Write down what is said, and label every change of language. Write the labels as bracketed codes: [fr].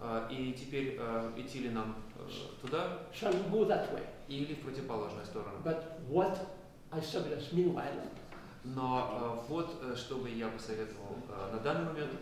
[ru] И теперь идти ли нам туда? [en] Shall we go that way? [ru] Или в противоположную сторону? [en] But what I suggest meanwhile? [ru] Но вот что бы я посоветовал на данный момент.